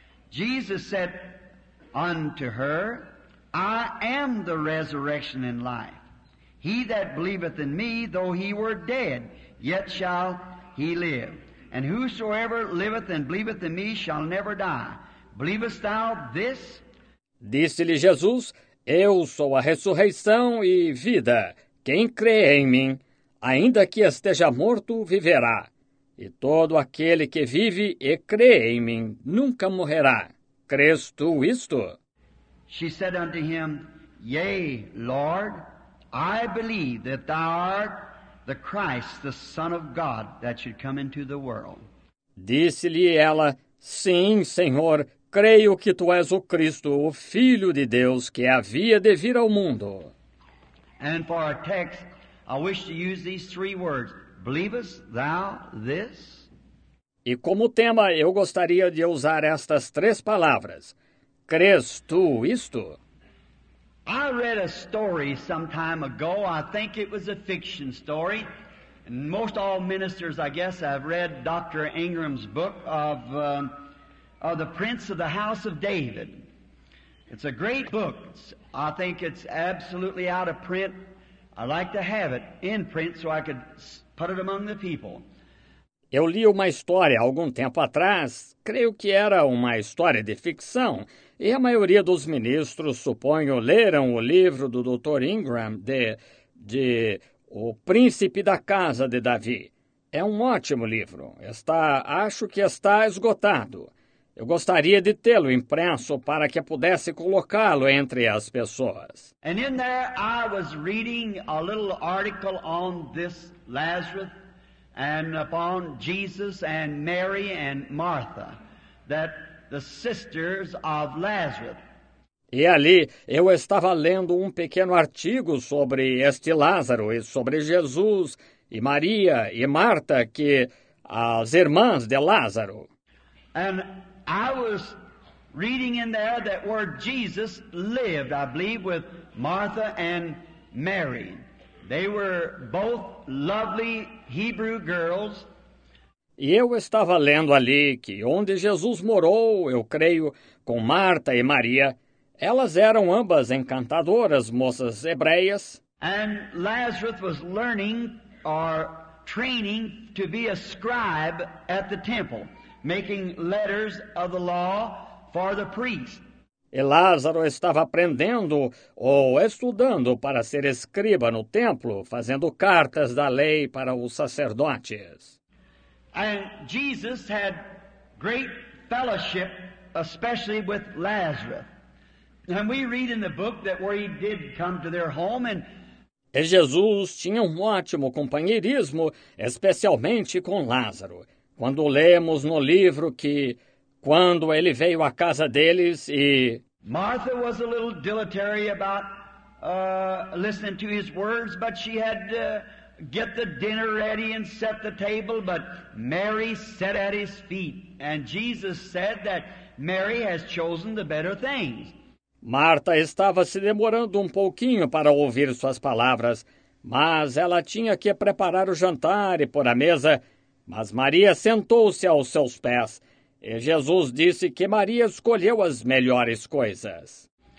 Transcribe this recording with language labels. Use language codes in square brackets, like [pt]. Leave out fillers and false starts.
[en] Jesus said unto her, I am the resurrection and life. He that believeth in me, though he were dead, yet shall he live. And whosoever liveth and believeth in me shall never die. Believest thou this? [pt] Disse-lhe Jesus, eu sou a ressurreição e vida. Quem crê em mim, ainda que esteja morto, viverá. E todo aquele que vive e crê em mim nunca morrerá. Crês tu isto? [en] She said unto him, yea, Lord, I believe that thou art the Christ, the Son of God, that should come into the world. [pt] Disse-lhe ela, sim, Senhor, creio que tu és o Cristo, o Filho de Deus, que havia de vir ao mundo. [en] And for our text, I wish to use these three words. Believest thou this? [pt] E como tema, eu gostaria de usar estas três palavras. Crês tu isto? [en] I read a story some time ago. I think it was a fiction story. And most all ministers, I guess, have read Dr. Ingram's book of The Prince of the House of David. It's a great book. I think it's absolutely out of print. I'd like to have it in print so I could put it among the people. [pt] Eu li uma história algum tempo atrás. Creio que era uma história de ficção. E a maioria dos ministros, suponho, leram o livro do Dr. Ingram de O Príncipe da Casa de Davi. É um ótimo livro. Acho que está esgotado. Eu gostaria de tê-lo impresso para que pudesse colocá-lo entre as pessoas. [en] And in there I was reading a little article on this Lazarus and upon Jesus and Mary and Martha, that the sisters of Lazarus. [pt] E ali eu estava lendo um pequeno artigo sobre este Lázaro e sobre Jesus e Maria e Marta, que as irmãs de Lázaro. [en] And I was reading in there that where Jesus lived, I believe, with Martha and Mary. They were both lovely Hebrew girls. [pt] E eu estava lendo ali que onde Jesus morou, eu creio, com Marta e Maria, elas eram ambas encantadoras moças hebreias. [en] And Lazarus was learning or training to be a scribe at the temple, making letters of the law for the priest. [pt] E Lázaro estava aprendendo ou estudando para ser escriba no templo, fazendo cartas da lei para os sacerdotes. [en] And Jesus had great fellowship, especially with Lazarus. And we read in the book that where he did come to their home and... [pt] E Jesus tinha um ótimo companheirismo, especialmente com Lázaro. Quando lemos no livro que, quando ele veio à casa deles e... [en] Martha was a little dilatory about listening to his words, but she had to get the dinner ready and set the table, but Mary sat at his feet. And Jesus said that Mary has chosen the better things. [pt] Marta estava se demorando um pouquinho para ouvir suas palavras, mas ela tinha que preparar o jantar e pôr a mesa. Mas Maria sentou-se aos seus pés, e Jesus disse que Maria escolheu as melhores coisas.